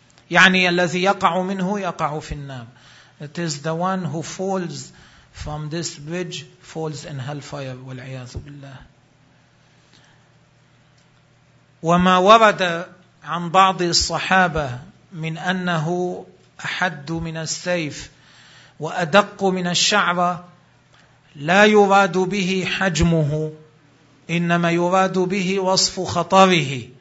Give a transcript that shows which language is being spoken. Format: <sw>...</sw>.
<ar>يعني الذي يقع منه يقع في النار.</ar> <en>It is the one who falls from this bridge falls in hellfire.</en> <ar>والعياذ بالله. وما ورد عن بعض الصحابة من أنه أحد من السيف وأدق من الشعرة لا يراد به حجمه، إنما يراد به وصف خطره.</ar>